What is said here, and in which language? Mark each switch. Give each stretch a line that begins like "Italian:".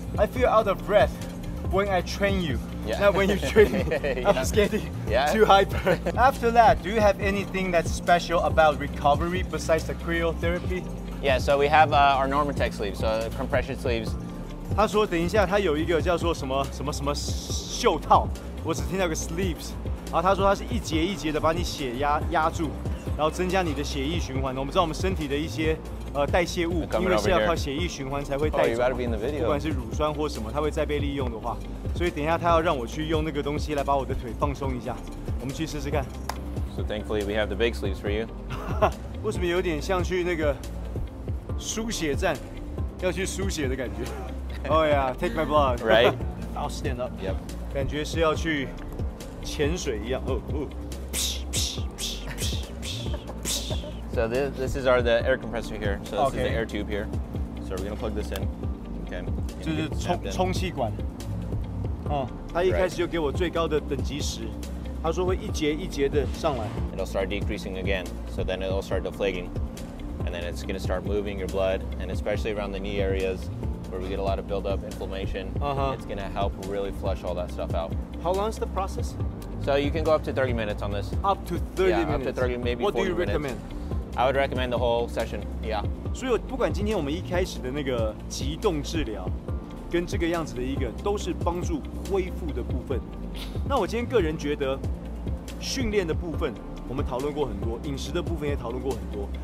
English: I feel out of breath when I train you, not when you train me. I'm just getting too hyper. After that, do you have anything that's special about recovery besides the cryotherapy? Yeah, so we have our Normatec sleeves, so compression sleeves.
Chinese: 他说等一下他有一个叫做什么什么什么袖套，我只听到个 sleeves， 然后他说他是一节一节的把你血压住，然后增加你的血液循环。我们知道我们身体的一些代谢物，因为是要靠血液循环才会带走，不管是乳酸或什么，它会再被利用的话，所以等一下他要让我去用那个东西来把我的腿放松一下，我们去试试看。
English: So thankfully we have the big sleeves for you.
Chinese: 为什么有点像去那个输血站要去输血的感觉？
English: Oh yeah, take my blood. Right. I'll stand up. Yep.
Chinese: 感觉是要去潜水一样。
English: Oh, oh. So this is the air compressor here. So this is the air tube here. So we're gonna plug this in. Okay.
Chinese: 就是充气管。他一开始就给我最高的等级时，他说会一节一节的上来。
English: It'll start decreasing again. So then it'll start deflating, and then it's gonna start moving your blood, and especially around the knee areas. Where we get a lot of buildup, inflammation, it's gonna help really flush all that stuff out. How long is the process? So you can go up to 30 minutes on this. Up to 30 minutes? Yeah, up to 30, maybe 40 minutes. What do you recommend? I would recommend the whole session, yeah.
Chinese: 所以不管今天我们一开始的那个急动治疗跟这个样子的一个都是帮助恢复的部分。那我今天个人觉得训练的部分我们讨论过很多，饮食的部分也讨论过很多。